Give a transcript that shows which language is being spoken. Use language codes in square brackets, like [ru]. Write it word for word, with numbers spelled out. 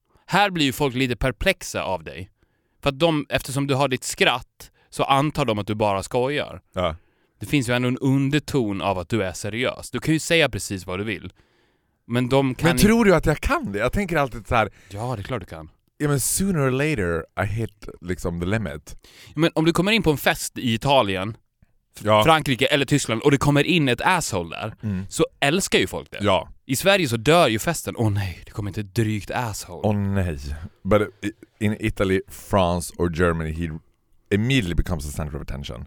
[sv] Här blir ju folk lite perplexa av dig. För att de, eftersom du har ditt skratt, så antar de att du bara skojar. Ja. Det finns ju ändå en underton av att du är seriös. Du kan ju säga precis vad du vill. Men de kan Men ju... tror du att jag kan det? Jag tänker alltid så här... Ja, det är klart du kan. Ja, men [en] sooner or later I hit [sv] liksom [en] the limit. [sv] Men om du kommer in på en fest i Italien, ja. Frankrike eller Tyskland och det kommer in ett asshole där, mm. så älskar ju folk det. Ja. I Sverige så dör ju festen. Åh oh, nej, det kommer inte ett drygt asshole. Åh oh, nej. [en] But in Italy, France or Germany he immediately becomes a center of attention.